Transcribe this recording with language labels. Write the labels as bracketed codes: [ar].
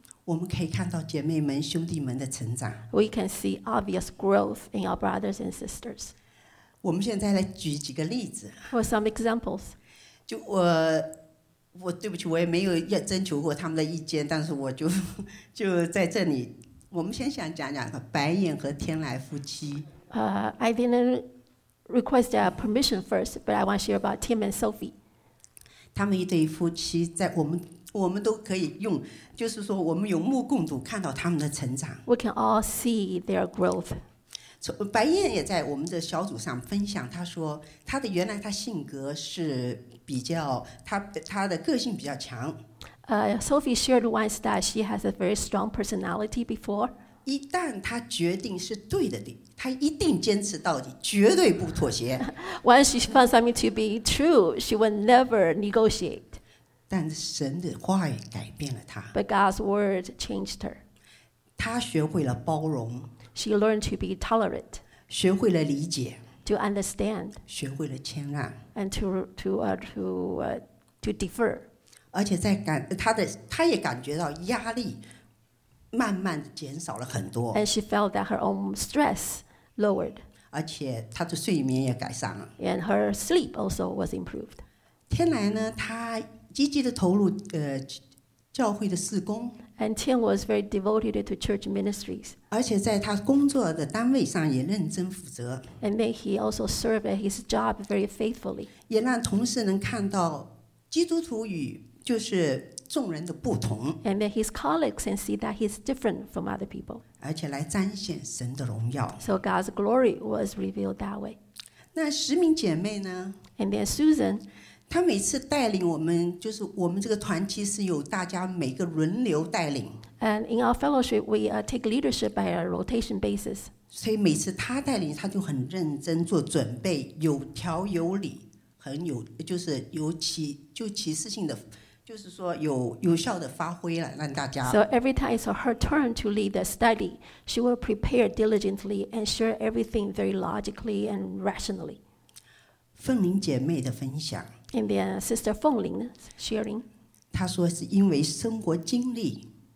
[zh] 我们可以看到姐妹们、兄弟们的成长。 [en] We can see obvious growth in our brothers and sisters. [zh] 我们现在来举几个例子。 [en] For some examples. [zh] 就我对不起，我也没有要征求过他们的意见，但是我就在这里，我们先想讲讲白眼和天来夫妻。 [en] I didn't request permission first, but I want to share about Tim and Sophie. [zh] 他们一对夫妻在我们都可以用，就是说我们有目共睹看到他们的成长。 [en] We can all see their growth. [zh] 白燕也在我们的小组上分享，她说她的原来她性格是比较，她的个性比较强。 [en] Sophie shared once that she has a very strong personality before. [zh] 一旦她决定是对的，她一定坚持到底，绝对不妥协。 [en] Once she found something to be true, she will never negotiate. [zh] 但神的话语改变了她。 [en] But God's word changed her. [zh] 她学会了包容。 [en] She learned to be tolerant. [zh] 学会了理解。 [en] To understand. [zh] 学会了谦让。 [en] And to defer. [zh] 而且在感她的她也感觉到压力慢慢减少了很多。 [en] And she felt that her own stress lowered. [zh] 而且她的睡眠也改善了。 [en] And her sleep also was improved. [zh] 天来呢，她积极地投入教会的事工。 [en] And Tim was very devoted to church ministries. [zh] 而且在他工作的单位上也认真负责。 [en] And then he also served at his job very faithfully. [zh] 也让同事能看到基督徒与就是众人的不同。 [en] And then his colleagues can see that he's different from other people. [zh] 而且来彰显神的荣耀。 [en] So God's glory was revealed that way. [zh] 那十名姐妹呢？ [en] And then Susan. [zh] 他每次带领我们，就是我们这个团体是有大家每个轮流带领。 [en] And in our fellowship, we take leadership by a rotation basis. [zh] 所以每次他带领，他就很认真做准备，有条有理，很有就是有启就启示性的，就是说有效的发挥了，让大家。 [en] So every time it's her turn to lead the study, she will prepare diligently and share everything very logically and rationally. [zh] 凤林姐妹的分享。 [en] And then Sister Feng Ling sharing. [zh] 她说是因为生活经历。